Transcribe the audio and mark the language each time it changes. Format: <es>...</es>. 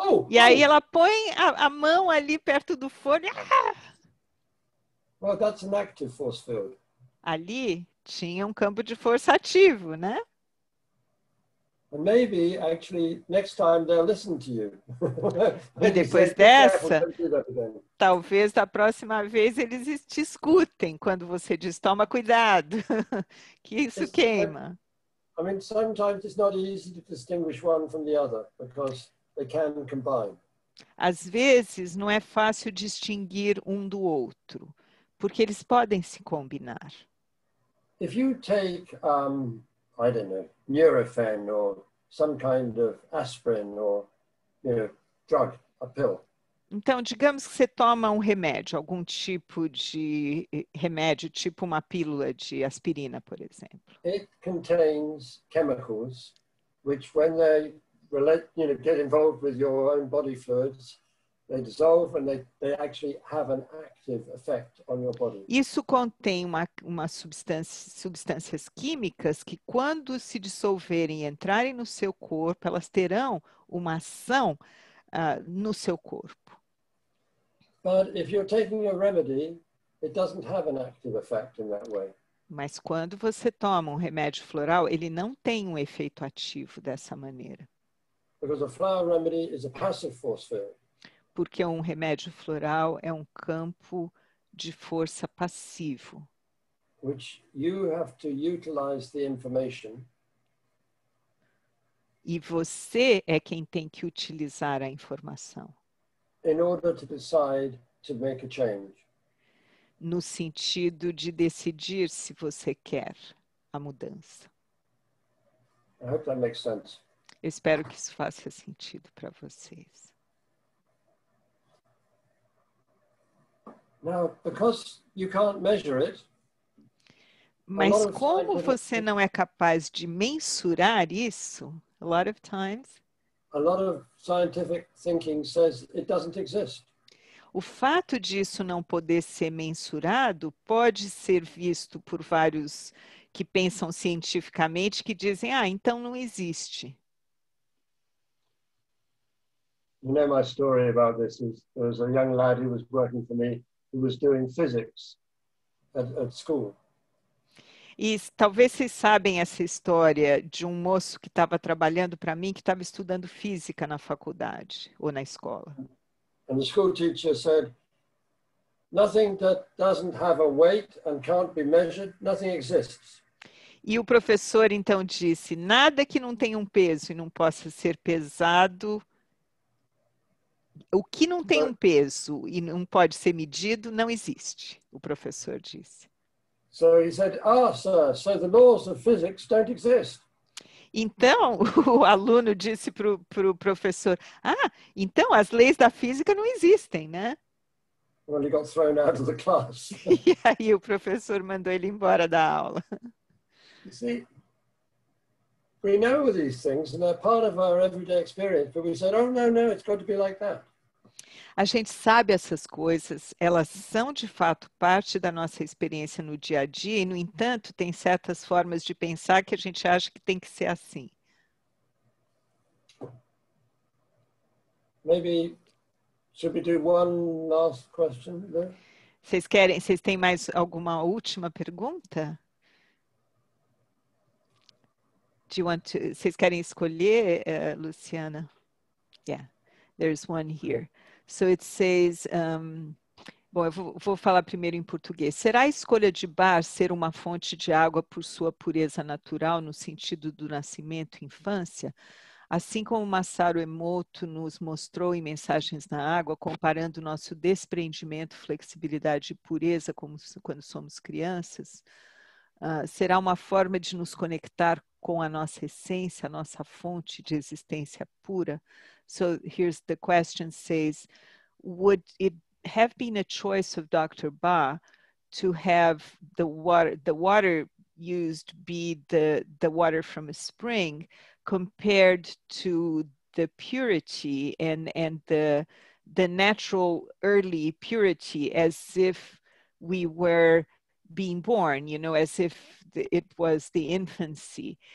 <pt>E aí ela põe a mão ali perto do forno. Ah!</pt> <en>Well, that's an active force field.</en> <pt>Ali tinha um campo de força ativo, né?</pt> <en>And maybe actually next time they'll listen to you.</en> <pt>E depois dessa, talvez da próxima vez eles te escutem quando você diz toma cuidado, que isso queima.</pt> <en>I mean, sometimes it's not easy to distinguish one from the other because they can combine.</en> <pt>Às vezes não é fácil distinguir um do outro, porque eles podem se combinar.</pt> <en>If you take, I don't know, Nurofen or some kind of aspirin or, you know, drug, a pill.</en> <pt>Então, digamos que você toma um remédio, algum tipo de remédio, tipo uma pílula de aspirina, por exemplo.</pt> <en>It contains chemicals which, when they relate, you know, get involved with your own body fluids, they dissolve and they actually have an active effect on your body.</en> <pt>Isso contém uma substâncias químicas que, quando se dissolverem e entrarem no seu corpo, elas terão uma ação no seu corpo.</pt> <en>But if you're taking a remedy, it doesn't have an active effect in that way.</en> <pt>Mas quando você toma um remédio floral, ele não tem um efeito ativo dessa maneira.</pt> <en>Because a flower remedy is a passive force field.</en> <pt>Porque um remédio floral é um campo de força passivo.</pt> <en>Which you have to utilize the information.</en> <pt>E você é quem tem que utilizar a informação.</pt> <en>In order to decide to make a change.</en> <pt>No sentido de decidir se você quer a mudança.</pt> <en>I hope that makes sense.</en> <pt>Espero que isso faça sentido para vocês.</pt> <en>Now, because you can't measure it,</en> <pt>mas como você não é capaz de mensurar isso,</pt> <en>a lot of times, a lot of scientific thinking says it doesn't exist.</en> <pt>O fato disso não poder ser mensurado pode ser visto por vários que pensam cientificamente que dizem, ah, então não existe.</pt> <en>You know my story about this is there was a young lad who was working for me who was doing physics at school.</en> <pt>E talvez vocês sabem essa história de um moço que estava trabalhando para mim, que estava estudando física na faculdade ou na escola.</pt> <en>And the school teacher said, nothing that doesn't have a weight and can't be measured, nothing exists.</en> <pt>E o professor então disse, nada que não tenha um peso e não possa ser pesado, o que não tem um peso e não pode ser medido, não existe, o professor disse.</pt> <en>So he said, ah, sir, so the laws of physics don't exist.</en> <pt>Então, o aluno disse pro professor, ah, então as leis da física não existem, né?</pt> <en>Well, he got thrown out of the class.</en> <pt>E aí o professor mandou ele embora da aula.</pt> <en>You see, we know these things and they're part of our everyday experience, but we said, oh, no, no, it's got to be like that.</en> <pt>A gente sabe essas coisas, elas são de fato parte da nossa experiência no dia a dia e, no entanto, tem certas formas de pensar que a gente acha que tem que ser assim.</pt> <en>Maybe, should we do one last question there?</en> <pt>Vocês querem, vocês têm mais alguma última pergunta?</pt> <en>Do you want to,</en> <pt>vocês querem escolher,</pt> <en>Luciana? Yeah, there's one here. So it says,</en> <pt>bom, eu vou falar primeiro em português. Será a escolha de Bach ser uma fonte de água por sua pureza natural no sentido do nascimento e infância? Assim como Masaru Emoto nos mostrou em Mensagens na Água, comparando nosso desprendimento, flexibilidade e pureza como quando somos crianças, será uma forma de nos conectar com a nossa essência, a nossa fonte de existência pura?</pt> <en>So here's the question says, would it have been a choice of Dr. Ba to have the water used be the water from a spring compared to the purity and the natural early purity as if we were being born, you know, as if it was the infancy.</en>